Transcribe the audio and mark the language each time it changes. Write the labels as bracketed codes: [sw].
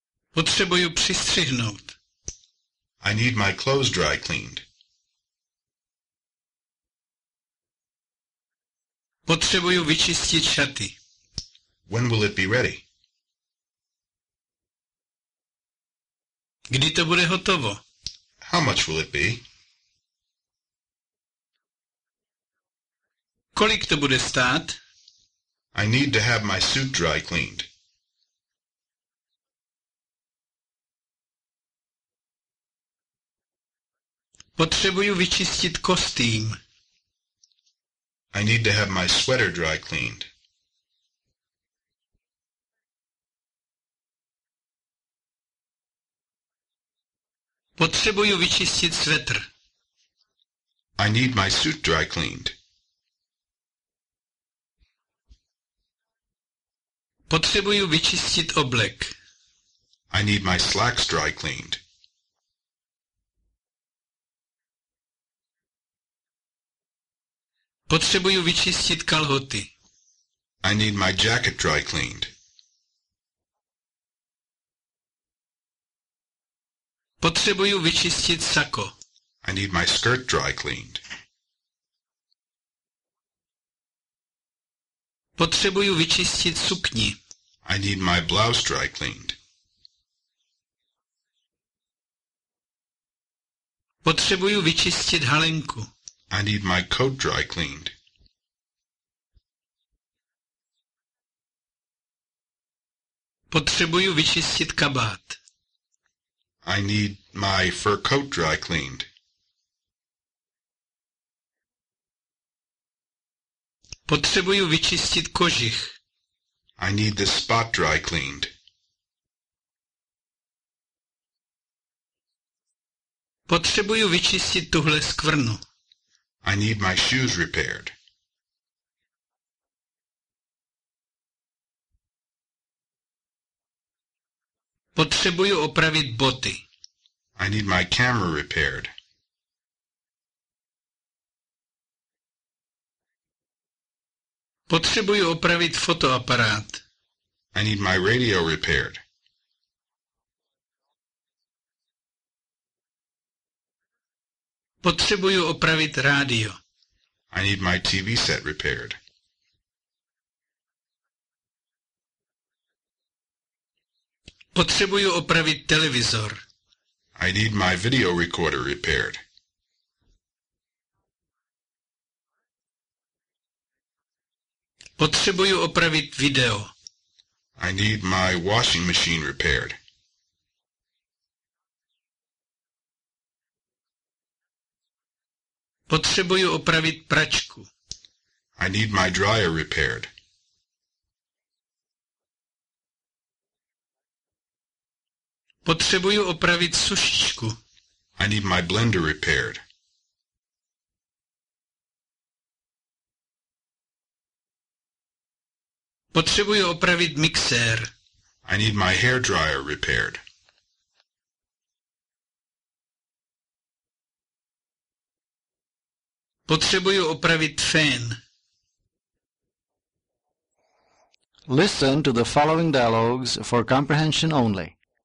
[cs] Potřebuju přistřihnout. [en] I need my clothes dry cleaned. [cs] Potřebuju vyčistit šaty. [en] When will it be ready? [cs] Kdy to bude hotovo? [en] How much will it be? [cs] Kolik to bude stát? [en] I need to have my suit dry cleaned. [cs] Potřebuju vyčistit kostým. [en] I need to have my sweater dry cleaned. [cs] Potřebuju vyčistit svetr. [en] I need my suit dry cleaned. [cs] Potřebuju vyčistit oblek. [en] I need my slacks dry cleaned. [cs] Potřebuju vyčistit kalhoty. [en] I need my jacket dry cleaned. [cs] Potřebuju vyčistit sako. [en] I need my skirt dry cleaned. [cs] Potřebuju vyčistit sukni. [en] I need my blouse dry cleaned. [cs] Potřebuju vyčistit halenku. [en] I need my coat dry cleaned. [cs] Potřebuju vyčistit kabát. [en] I need my fur coat dry cleaned. [cs] Potřebuju vyčistit kožich. [en] I need the spot dry cleaned. [cs] Potřebuju vyčistit tuhle skvrnu. [en] I need my shoes repaired. [cs] Potřebuju opravit boty. [en] I need my camera repaired. [cs] Potřebuju opravit fotoaparát. [en] I need my radio repaired. [cs] Potřebuju opravit rádio. [en] I need my TV set repaired. [cs] Potřebuju opravit televizor. [en] I need my video recorder repaired. [cs] Potřebuju opravit video. [en] I need my washing machine repaired. [cs] Potřebuju opravit pračku. [en] I need my dryer repaired. [cs] Potřebuju opravit sušičku. [en] I need my blender repaired. [cs] Potřebuju opravit mixér. [en] I need my hair dryer repaired. [cs] Potřebuju opravit fén. [en] Listen to the following dialogues for comprehension only.